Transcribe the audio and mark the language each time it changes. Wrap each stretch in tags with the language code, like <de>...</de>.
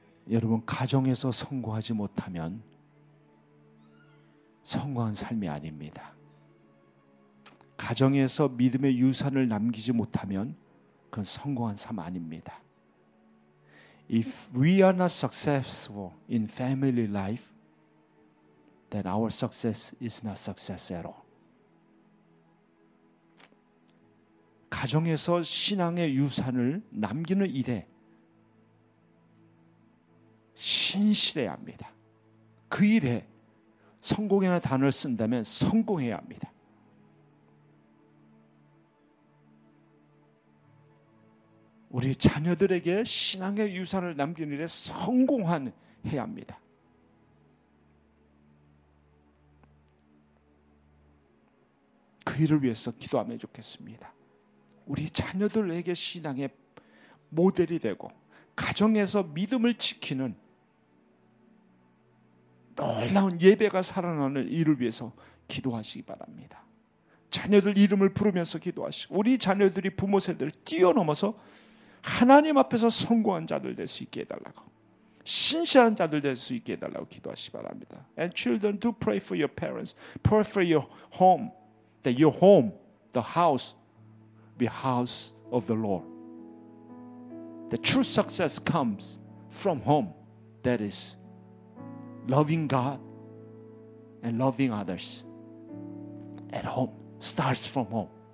<ko>여러분, 가정에서 성공하지 못하면 성공한 삶이 아닙니다. 가정에서 믿음의 유산을 남기지 못하면 그건 성공한 삶 아닙니다.</ko> <en>If we are not successful in family life, then our success is not success at all.</en> <ko>가정에서 신앙의 유산을 남기는 일에 신실해야 합니다. 그 일에 성공이라는 단어를 쓴다면 성공해야 합니다. 우리 자녀들에게 신앙의 유산을 남긴 일에 성공한 해야 합니다. 그 일을 위해서 기도하면 좋겠습니다. 우리 자녀들에게 신앙의 모델이 되고 가정에서 믿음을 지키는 놀라운 예배가 살아나는 일을 위해서 기도하시기 바랍니다. 자녀들 이름을 부르면서 기도하시고 우리 자녀들이 부모 세대를 뛰어넘어서 하나님 앞에서 성공한 자들 될 수 있게 해달라고, 신실한 자들 될 수 있게 해달라고 기도하시기 바랍니다.</ko> <en>And children, do pray for your parents. Pray for your home. That your home, the house, be house of the Lord. The true success comes from home. That is loving God and loving others at home starts from home.</en>